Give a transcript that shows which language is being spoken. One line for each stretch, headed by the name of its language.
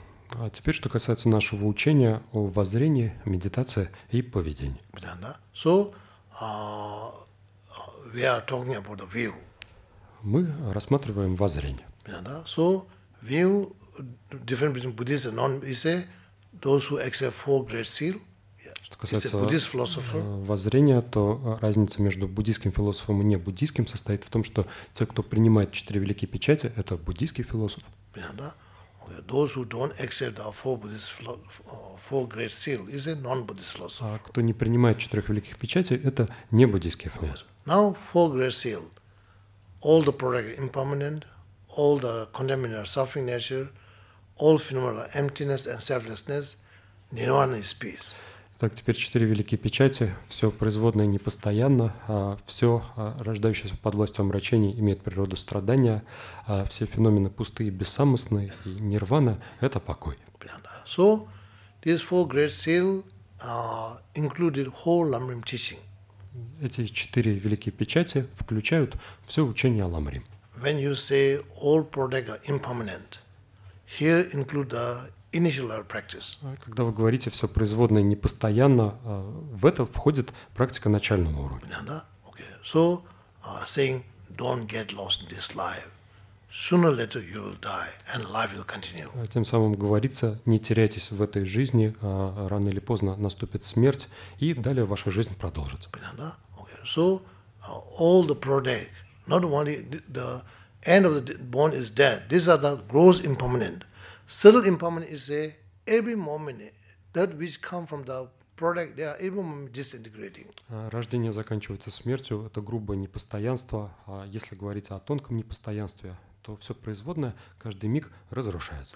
Russian: А теперь, что касается нашего учения о воззрении, медитации и поведении. Да, да.
English: So, we are talking about the view.
Russian: Мы рассматриваем воззрение. Да, да.
English: So, view, different between Buddhists and non-Buddhists, those who accept four great seals.
Russian: Что касается воззрения, то разница между буддийским философом и небуддийским состоит в том, что те, кто принимает четыре великие печати, это буддийский философ.
English: Those who don't accept the four Buddhist four great seal is a non-Buddhist philosopher.
Russian: А кто не принимает четырех великих печатей, это небуддийский философ.
English: Now four great seal, all the product impermanent, all the contaminant suffering nature, all phenomena emptiness and selflessness, nirvana is peace.
Russian: Так, теперь четыре великие печати, все производное непостоянно, все рождающееся под властью омрачений имеет природу страдания, все феномены пустые, бессамостные, и нирвана — это покой.
English: So, these four great seals included whole Lamrim teaching.
Russian: Эти четыре великие печати включают все учение о Ламрим.
English: When you say all product are impermanent, here include the initial practice.
Russian: Когда вы говорите все производное непостоянно, в это входит практика начального уровня. Да,
English: okay. So, saying don't get lost in this life. Sooner or later you will die, and life will continue.
Russian: Тем самым говорится, не теряйтесь в этой жизни, рано или поздно наступит смерть, и далее ваша жизнь продолжится. Да,
English: okay. So, all the product, not only the end of the bone is dead. These are the gross impermanent. Subtle impermanent is every moment that which come from the product, they are every moment disintegrating.
Russian: Рождение заканчивается смертью, это грубое непостоянство. А если говорить о тонком непостоянстве, то все производное каждый миг разрушается.